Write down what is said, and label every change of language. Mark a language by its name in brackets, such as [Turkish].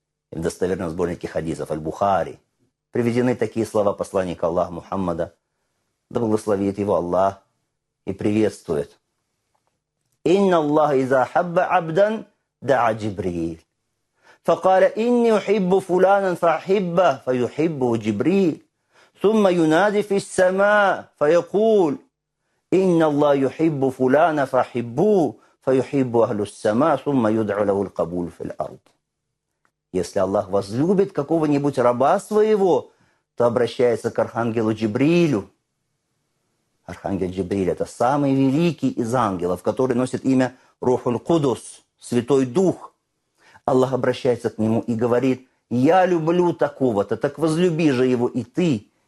[Russian] В достоверном сборнике хадисов Аль-Бухари приведены такие слова посланника Аллаха Мухаммада, да благословит его Аллах и приветствует. [Arabic] «Инна Аллаха иза хабба абдан даа Джибриль, факаля инни ухиббу фулянан фахибба фаюхиббу Джибриль». ثم ينادي في السماء فيقول إن الله يحب فلان فحبوه فيحب أهل السماء ثم يدعو له القبول في الأرض. [Russian] Если Аллах возлюбит какого-нибудь раба своего, то обращается к архангелу Джибрилю. Архангел Джибриль – это самый великий из ангелов, который носит имя Рух-ул-Кудус, Святой Дух. Аллах обращается к нему и говорит: «Я люблю такого-то, так возлюби же его и ты».